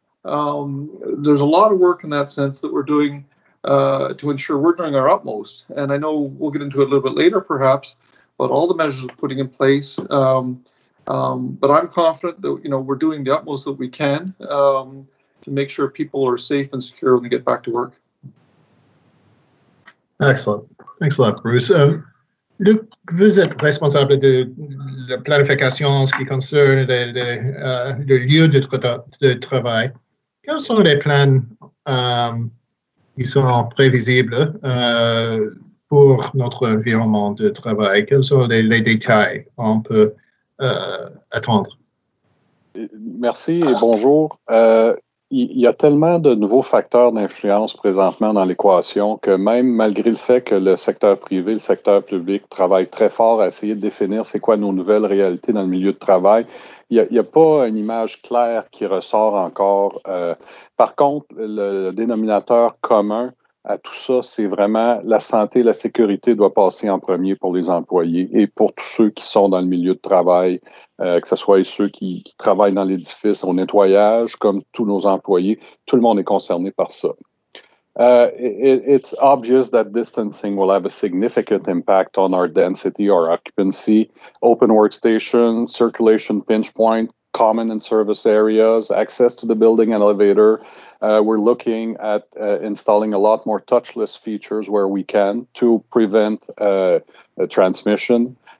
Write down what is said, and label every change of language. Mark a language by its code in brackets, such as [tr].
[en] There's a lot of work in that sense that we're doing to ensure we're doing our utmost. And I know we'll get into it a little bit later, perhaps, but all the measures we're putting in place. But I'm confident that, you know, we're doing the utmost that we can to make sure people are safe and secure when they get back to work. Excellent. Thanks a lot, Bruce. [fr] Luc, vous êtes responsable de la planification en ce qui concerne le lieu de travail. Quels sont les plans qui sont prévisibles pour notre environnement de travail? Quels sont les détails on peut attendre? Merci et bonjour. Il y a tellement de nouveaux facteurs d'influence présentement dans l'équation que même malgré le fait que le secteur privé, le secteur public travaillent très fort à essayer de définir c'est quoi nos nouvelles réalités dans le milieu de travail, il y a pas une image claire qui ressort encore. Par contre, le dénominateur commun à tout ça, c'est vraiment la santé, la sécurité doit passer en premier pour les employés et pour tous ceux qui sont dans le milieu de travail, que ce soit ceux qui travaillent dans l'édifice au nettoyage, comme tous nos employés, tout le monde est concerné par ça. [en] It's obvious that distancing will have a significant impact on our density or occupancy, open workstation, circulation pinch point, common and service areas, access to the building and elevator. We're looking at installing a lot more touchless features where we can to prevent transmission.